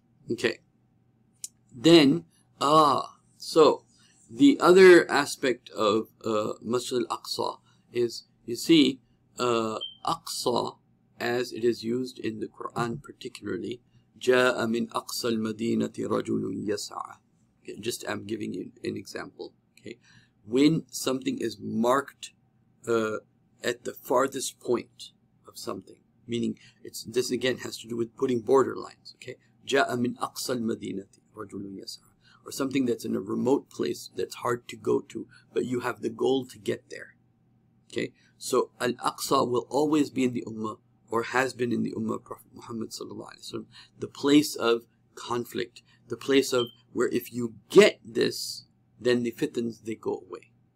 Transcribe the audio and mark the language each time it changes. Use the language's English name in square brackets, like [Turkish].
[English] Okay, then, so the other aspect of Masjid al-Aqsa is, you see, Aqsa, as it is used in the Quran particularly, [Arabic] جَاءَ مِنْ أَقْصَى الْمَدِينَةِ رَجُلٌ يَسْعَى. [English] Okay, just I'm giving you an example. Okay, when something is marked at the farthest point of something, meaning it's, this again has to do with putting border lines. [Arabic] Okay, جَاءَ مِنْ أَقْصَى الْمَدِينَةِ رَجُلٌ يَسْعَى. [English] Or something that's in a remote place that's hard to go to, but you have the goal to get there. Okay, so Al-Aqsa will always be in the Ummah, or has been in the Ummah of Prophet Muhammad sallallahu alaihi wasallam, the place of conflict, the place of where if you get this, then the fitans, they go away.